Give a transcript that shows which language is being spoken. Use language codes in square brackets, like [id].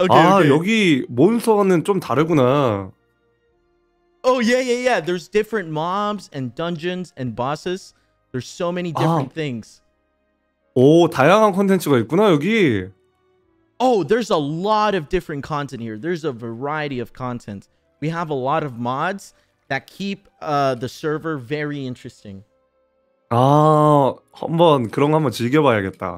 [ko] 아, 여기 몬스터는 좀 다르구나. [en] Oh, yeah. There's different mobs and dungeons and bosses. There's so many different things. [ko] 오, 다양한 콘텐츠가 있구나, 여기. [en] Oh, there's a lot of different content here. There's a variety of content. We have a lot of mods that keep the server very interesting. [ko] 아, 한번 그런 거 한번 즐겨봐야겠다.